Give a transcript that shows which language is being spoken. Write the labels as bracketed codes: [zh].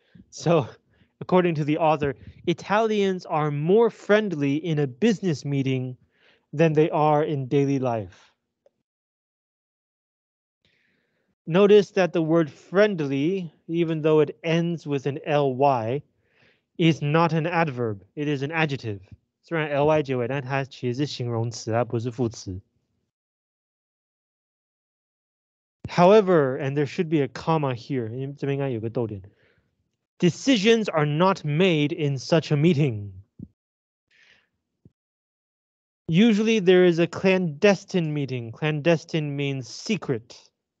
[en] So, according to the author, Italians are more friendly in a business meeting than they are in daily life. Notice that the word friendly, even though it ends with an ly, is not an adverb. It is an adjective. [zh] 虽然 ly 结尾，但它其实是形容词啊，不是副词。 [en] However, and there should be a comma here, [zh] 这边应该有个逗点, [en] decisions are not made in such a meeting. Usually there is a clandestine meeting. Clandestine means secret.